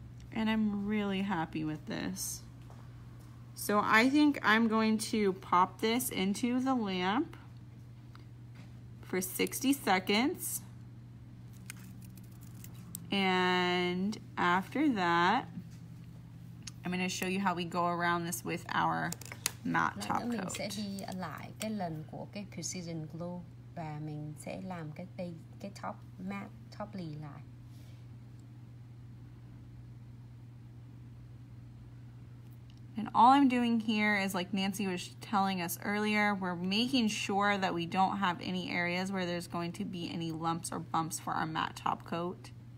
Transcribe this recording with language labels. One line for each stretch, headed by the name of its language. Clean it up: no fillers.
English: And I'm really happy with this. So I think I'm going to pop this into the lamp for 60 seconds. And after that, I'm going to show you how we go around this with our matte top coat.
Vietnamese: Mình sẽ đi lại cái lần của cái precision glue và mình sẽ làm cái top matte top lì lại.
English: And all I'm doing here is, like Nancy was telling us earlier, we're making sure that we don't have any areas where there's going to be any lumps or bumps for our matte top coat.